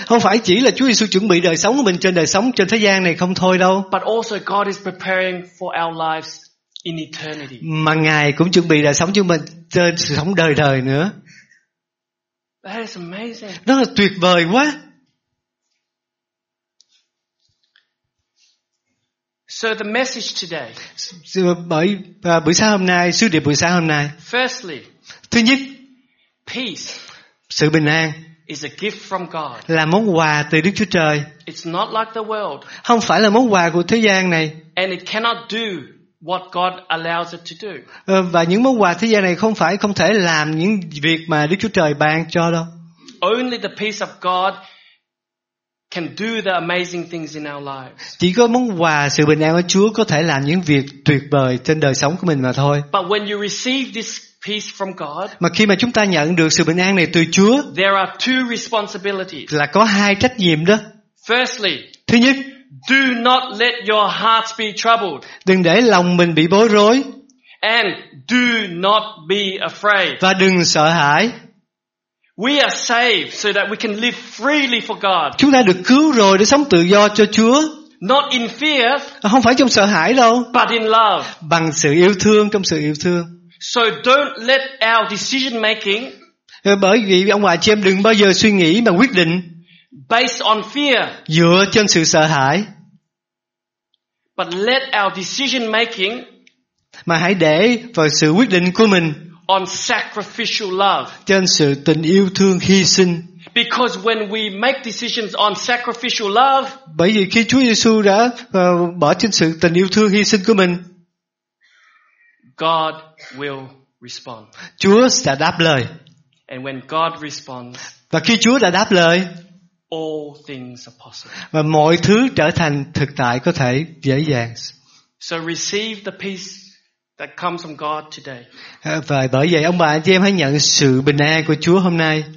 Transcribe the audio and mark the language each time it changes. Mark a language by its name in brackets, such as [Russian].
[Vietnamese] Không phải chỉ là Chúa Giêsu chuẩn bị đời sống của mình trên đời sống trên thế gian này không thôi đâu. [English] But also God is preparing for our lives in eternity. [Vietnamese] Mà Ngài cũng chuẩn bị đời sống cho mình trên sự sống đời đời nữa. [English] That is amazing. [Vietnamese] Đó là tuyệt vời quá. [English] So the message today. [Vietnamese] Bởi buổi sáng hôm nay, sứ điệp buổi sáng hôm nay. [English] Firstly. [Vietnamese] Thứ nhất. [English] Peace. [Vietnamese] Sự bình an [English] is a gift from God. [Vietnamese] Là món quà từ Đức Chúa Trời. [English] It's not like the world. [Vietnamese] Không phải là món quà của thế gian này. [English] And it cannot do what God allows it to do. [Vietnamese] Và những món quà thế gian này không phải không thể làm những việc mà Đức Chúa Trời ban cho đâu. [English] Only the peace of God can do the amazing things in our lives. [Vietnamese] Chỉ có món quà sự bình an của Chúa có thể làm những việc tuyệt vời trên đời sống của mình mà thôi. [English] But when you receive this peace from God. [Vietnamese] Mà khi mà chúng ta nhận được sự bình an này từ Chúa. [English] There are two responsibilities. [Vietnamese] Là có hai trách nhiệm đó. [English] Firstly. [Vietnamese] Thứ nhất. [English] Do not let your hearts be troubled. [Vietnamese] Đừng để lòng mình bị bối rối. [English] And do not be afraid. [Vietnamese] Và đừng sợ hãi. [English] We are saved so that we can live freely for God. [Vietnamese] Chúng ta được cứu rồi để sống tự do cho Chúa. [English] Not in fear. [Vietnamese] Không phải trong sợ hãi đâu. [English] But in love. [Vietnamese] Bằng sự yêu thương, trong sự yêu thương. [English] So don't let our decision making. [Vietnamese] Bởi vì ông bà chị em đừng bao giờ suy nghĩ mà quyết định. [English] Based on fear. [Vietnamese] Dựa trên sự sợ hãi. [English] But let our decision making. [Vietnamese] Mà hãy để vào sự quyết định của mình. [English] On sacrificial love. [Vietnamese] Trên sự tình yêu thương hy sinh. [English] Because when we make decisions on sacrificial love. [Vietnamese] Bởi vì khi Chúa Giêsu đã bỏ trên sự tình yêu thương hy sinh của mình. [English] God will respond. [Vietnamese] Chúa sẽ đáp lời. [English] And when God responds, [Vietnamese] và khi Chúa đã đáp lời, [English] all things are possible. [Vietnamese] Và mọi thứ trở thành thực tại có thể dễ dàng. [English] So receive the peace that comes from God today. [Vietnamese] Và bởi vậy ông bà anh chị em hãy nhận sự bình an của Chúa hôm nay.